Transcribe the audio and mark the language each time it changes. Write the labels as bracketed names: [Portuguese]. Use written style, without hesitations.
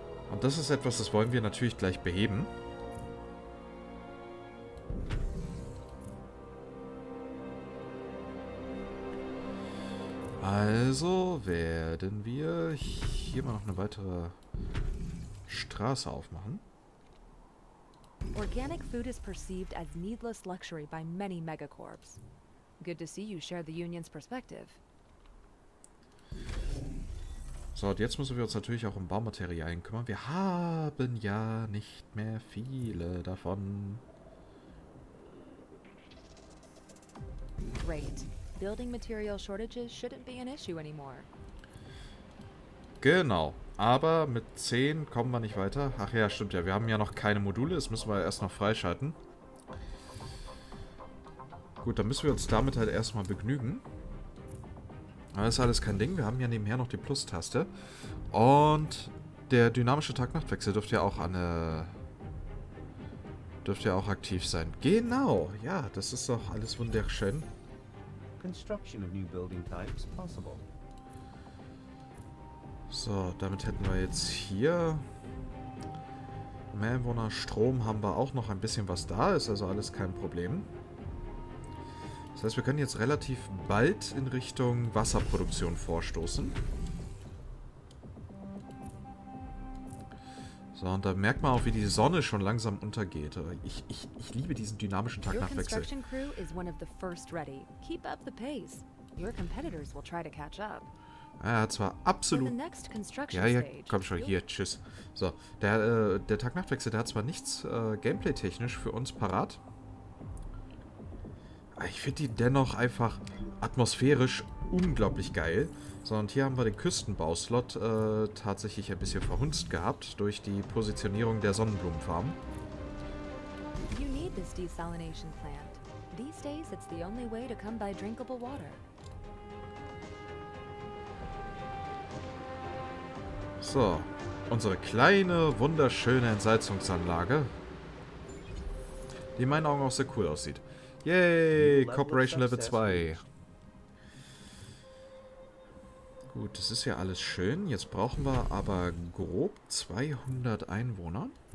[German] Und das ist etwas, das wollen wir natürlich gleich beheben. Also werden wir hier mal noch eine weitere Straße aufmachen. [English] Organic food is perceived as needless luxury by many megacorps. Good to see you share the union's perspective. [German] So, und jetzt müssen wir uns natürlich auch um Baumaterialien kümmern. Wir haben ja nicht mehr viele davon. [English] Great. Building material shortages shouldn't be an issue anymore. [German] Genau. Aber mit 10 kommen wir nicht weiter. Ach ja, stimmt ja. Wir haben ja noch keine Module. Das müssen wir erst noch freischalten. Gut, dann müssen wir uns damit halt erstmal begnügen. Aber das ist alles kein Ding. Wir haben ja nebenher noch die Plus-Taste. Und der dynamische Tag-Nacht-Wechsel dürfte ja auch eine... dürfte ja auch aktiv sein. Genau. Ja, das ist doch alles wunderschön. [English] Construction of new building types possible. [German] So, damit hätten wir jetzt hier mehr Einwohner. Strom haben wir auch noch ein bisschen, was da ist, also alles kein Problem. Das heißt, wir können jetzt relativ bald in Richtung Wasserproduktion vorstoßen. So, und da merkt man auch, wie die Sonne schon langsam untergeht. Ich liebe diesen dynamischen Tag-Nacht-Wechsel. [English] Your construction crew is one of the first ready. Keep up the pace. Your competitors will try to catch up. [German] Er hat zwar absolut... Ja, ja, komm schon, hier, tschüss. So, der Tag-Nacht-Wechsel, der hat zwar nichts gameplay-technisch für uns parat. Aber ich finde die dennoch einfach atmosphärisch unglaublich geil. So, und hier haben wir den Küstenbauslot tatsächlich ein bisschen verhunzt gehabt durch die Positionierung der Sonnenblumenfarm. [English] You need this desalination plant. These days it's the only way to come by drinkable water. [German] So, unsere kleine, wunderschöne Entsalzungsanlage, die in meinen Augen auch sehr cool aussieht. [English] Yay, Corporation Level 2. [German] Gut, das ist ja alles schön. Jetzt brauchen wir aber grob 200 Einwohner.